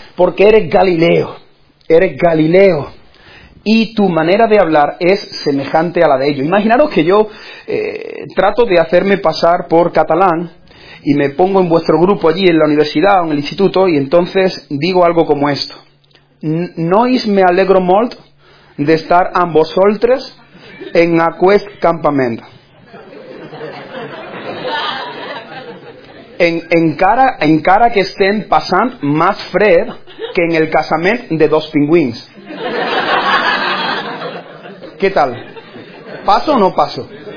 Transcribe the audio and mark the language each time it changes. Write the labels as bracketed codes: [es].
[es] Porque eres galileo. Eres galileo. Y tu manera de hablar es semejante a la de ellos. Imaginaros que yo trato de hacerme pasar por catalán, y me pongo en vuestro grupo allí en la universidad o en el instituto y entonces digo algo como esto. [ca] Nois [es] me alegro [ca] molt de estar ambos soltres en aquest campament. Encara que estén passant más fred que en el casament de dos pingüins. [es] ¿Qué tal? ¿Paso o no paso?